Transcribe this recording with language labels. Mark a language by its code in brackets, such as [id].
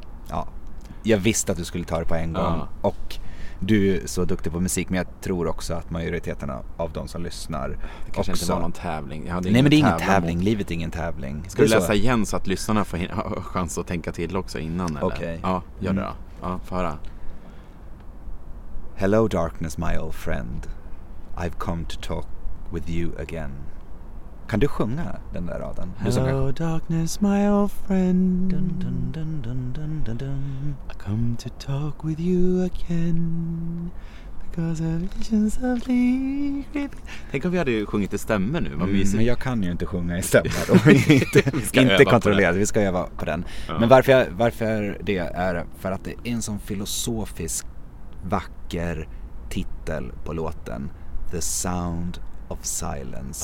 [sv] Ja, jag visste att du skulle ta det på en gång. Och du är så duktig på musik, men jag tror också att majoriteten av de som lyssnar, det kanske också inte var någon tävling. Jag hade ingen. Nej, men det är ingen tävling, livet är ingen tävling. Ska du läsa igen så att lyssnarna får chans att tänka till också innan? Okej, okay. Ja, gör det då. Ja, får höra. [en] Hello darkness my old friend, I've come to talk with you again. [sv] Kan du sjunga den där raden? [en] Hello darkness my old friend, dun, dun, dun, dun, dun, dun, dun. I come to talk with you again, because of visions of leaf. [sv] Tänk om vi hade sjungit i stämmer nu. Vad mysigt. Men jag kan ju inte sjunga i stämmer. inte kontrollera. Vi ska öva på den. Ja. Men varför det är för att det är en sån filosofisk, vacker titel på låten. [en] The Sound of Silence.